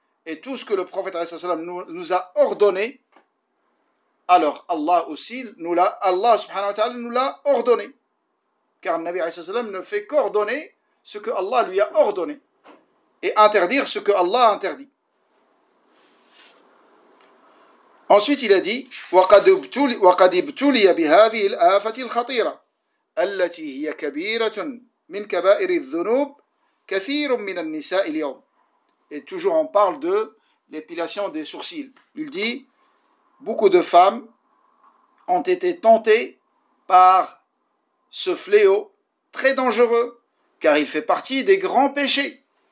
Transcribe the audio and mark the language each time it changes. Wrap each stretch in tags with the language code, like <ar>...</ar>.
<fr>Et tout ce que le prophète sallallahu alayhi wa sallam nous a ordonné, alors Allah aussi nous l'a, Allah subhanahu wa ta'ala nous l'a ordonné. Car le Nabi sallallahu alayhi wa sallam ne fait qu'ordonner ce que Allah lui a ordonné et interdire ce que Allah a interdit. Ensuite, il a dit</fr> <ar>وَقَدْ ابْتُلِيَ بِهَذِهِ الْآفَةِ الْخَطِيرَةِ الَّتِي هِيَ كَبِيرَةٌ مِنْ كَبَائِرِ الذُّنُوبِ كَثِيرٌ مِنَ النِّسَاءِ الْيَوْمِ.</ar> <fr>Et toujours, on parle de l'épilation des sourcils. Il dit, beaucoup de femmes ont été tentées par ce fléau très dangereux, car il fait partie des grands péchés.</fr>